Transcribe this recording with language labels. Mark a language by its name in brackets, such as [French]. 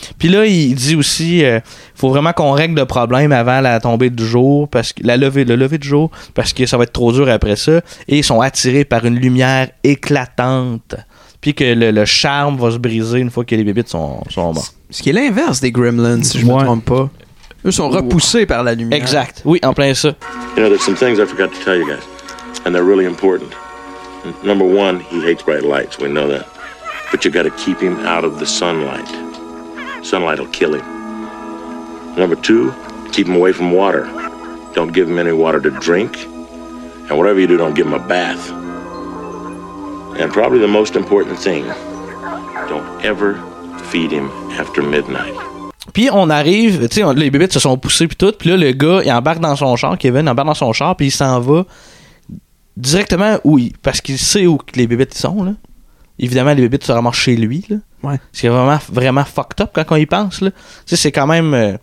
[French] Puis là il dit aussi faut vraiment qu'on règle le problème avant la tombée du jour, parce que le lever du jour, parce que ça va être trop dur après ça. Et ils sont attirés par une lumière éclatante, puis que le charme va se briser une fois que les bébites sont morts. Ce qui est l'inverse des Gremlins, si je me trompe pas. Eux sont repoussés par la lumière. Exact. Oui, en plein ça. [English] You know, there's some things I forgot to tell you guys, and they're really important. Number one, he hates bright lights. We know that. But you got to keep him out of the sunlight. Sunlight will kill him. Number two, keep him away from water. Don't give him any water to drink. And whatever you do, don't give him a bath. And probably the most important thing, don't ever feed him after midnight. [French] Puis on arrive, tu sais, les bébêtes se sont poussées puis tout. Puis là, le gars, il embarque dans son char, Kevin, embarque dans son char, puis il s'en va directement où il... Parce qu'il sait où les bébêtes sont, là. Évidemment, les bébêtes sont vraiment chez lui, là. Ouais. C'est vraiment, vraiment fucked up quand on y pense, là. Tu sais, c'est quand même...